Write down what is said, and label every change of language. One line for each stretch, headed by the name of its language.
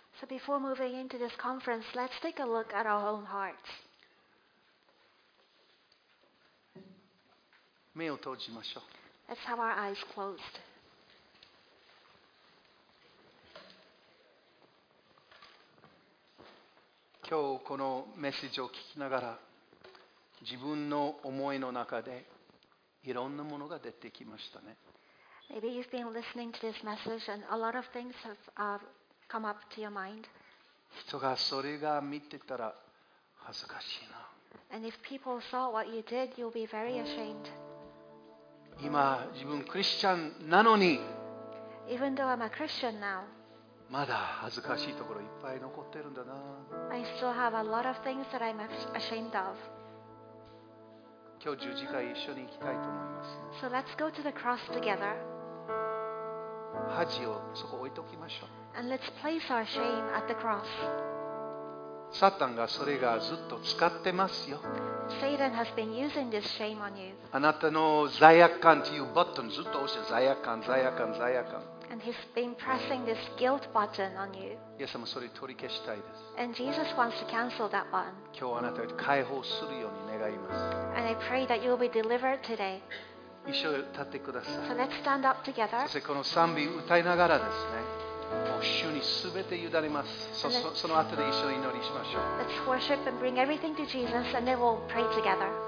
English: So before moving into this conference, let's take a look at our own hearts.
Japanese: 目を閉じましょう。
English: Let's have our eyes closed.
Japanese: 今日このメッセージを聞きながら自分の思いの中でいろんなものが出てきましたね。
English: Maybe you've been listening to this message and a lot of things have、come up to your mind.
Japanese: 人がそれが見てたら恥ずかしいな。
English: And if people saw what you did, you'll be very ashamed.
Japanese: 今自分クリスチャンなのに、
English: Even though I'm a Christian now,
Japanese: まだ恥ずかしいところいっぱい残ってるんだな。
English: I still have a lot of things that I'm ashamed of.
Japanese: 今日十字架一緒に行きたいと思います。
English: So let's go to the cross together.
Japanese: 恥をそこ置いときましょう。
English: And let's place our shame at the cross.
Japanese: サタンがそれがずっと使ってますよ。
English: Satan has been using this shame on you.
Japanese: あなたの罪悪感というボタンずっと押して罪悪感、罪悪感、罪悪感。
English: And he's been pressing this guilt button on you.
Japanese: イエス様それ取り消したいです。
English: And Jesus wants to cancel that button.
Japanese: 今日あなたを解放するように願います。
English: And I pray that you'll be delivered today.
Japanese: 一緒に立ってください。
English: So let's stand up together.
Japanese: そしてこの賛美を歌いながらですね。もう主にすべて委ねます。その後で一緒に祈りしましょう。
English: Let's worship and bring everything to Jesus, and then we'll pray together.